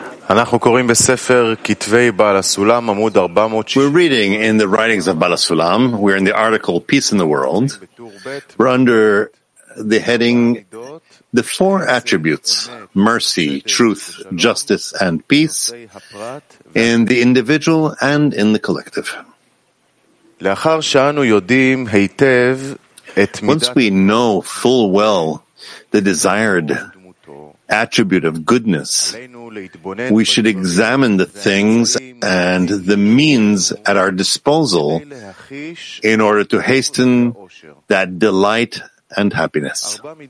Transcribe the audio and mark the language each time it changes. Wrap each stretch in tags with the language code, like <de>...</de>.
<he>אנחנו קוראים בספר כתבי בעל הסולם עמוד 460.</he> <en>We're reading in the writings of בעל הסולם. We're in the article Peace in the World. We're under the heading The Four Attributes: Mercy, Truth, Justice and Peace in the individual and in the collective.</en> <he>לאחר שאנו יודעים היטב את</he> <en>מידת, once we know full well the desired attribute of goodness, we should examine the things and the means at our disposal in order to hasten that delight and happiness.</en>